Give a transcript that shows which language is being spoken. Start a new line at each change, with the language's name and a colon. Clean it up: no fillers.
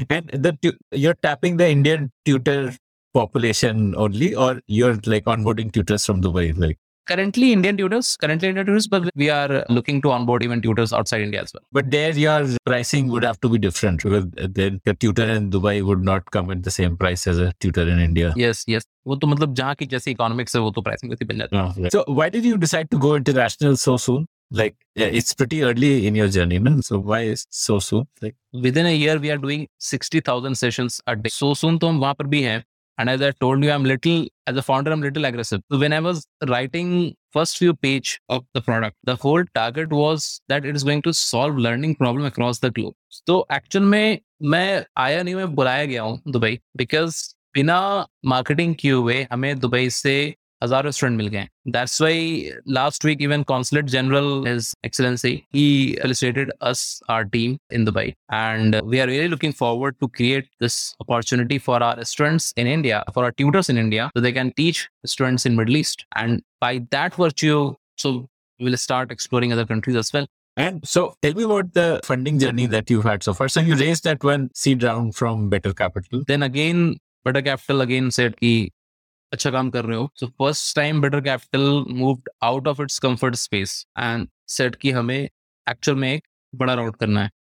English: And you're tapping the Indian tutor population only, or you're like onboarding tutors from Dubai? Currently Indian tutors, but we are looking to onboard even tutors outside India as well. But there your pricing would have to be different, because then a tutor in Dubai would not come at the same price as a tutor in India. Yes.
Hindi: वो तो मतलब जहाँ की जैसी economics है वो तो pricing वैसी बन जाती है.
English: So why did you decide to go international so soon? Like, it's pretty early in your journey, man. So why is so soon? Like, within a year we are doing 60,000 sessions a day. So soon
Hindi: तो हम वहाँ पर भी हैं.
English: And as I told you, as a founder, I'm a little aggressive. When I was writing first few page of the product, the whole target was that it is going to solve learning problem across the globe.
Hindi: So actually, main aaya nahi, main bulaya gaya hu Dubai, because bina marketing QA, hame Dubai se हजार student मिल गए.
English: That's why last week even consulate general his excellency he felicitated us our team in Dubai and we are really looking forward to create this opportunity for our students in India for our tutors in India so they can teach students in Middle East and by that virtue so we will start exploring other countries as well. And so tell me about the funding journey that you've had so far. So you raised that one seed round from Better Capital. Then again, Better Capital again said ki
Hindi: acha kaam kar rahe ho.
English: So first time Better Capital moved out of its comfort space and said ki
Hindi: hame actual mein ek bada round karna hai.